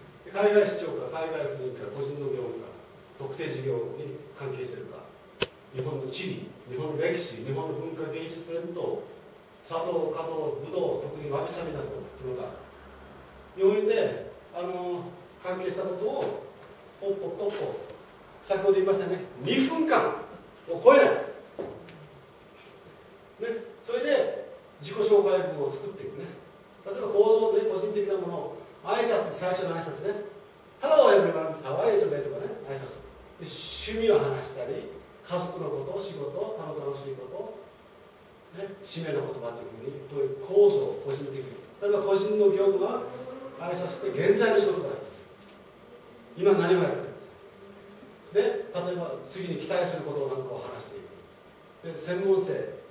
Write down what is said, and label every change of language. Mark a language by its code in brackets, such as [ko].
[ja] 海外出張か、海外赴任か、個人の業務か、特定事業に関係しているか、日本の地理、日本の歴史、日本の文化芸術伝統、茶道、華道、武道、特にわびさびなどの国が、日本で関係したことを、ポッポッポッポ、先ほど言いましたね、2分間を超えない。ね、それで自己紹介文を作っていくね。例えば構造で個人的なもの、挨拶、最初の挨拶ね。 [en] Hello everyone, how are you today? [ja] とかね、挨拶。で、趣味を話したり、家族のこと、仕事、他の楽しいこと、ね、締めの言葉というふうに、こういう構造を個人的に。例えば個人の業務は挨拶して、現在の仕事がある。今何をやってる。で、例えば次に期待することを何かを話していく。で、専門性。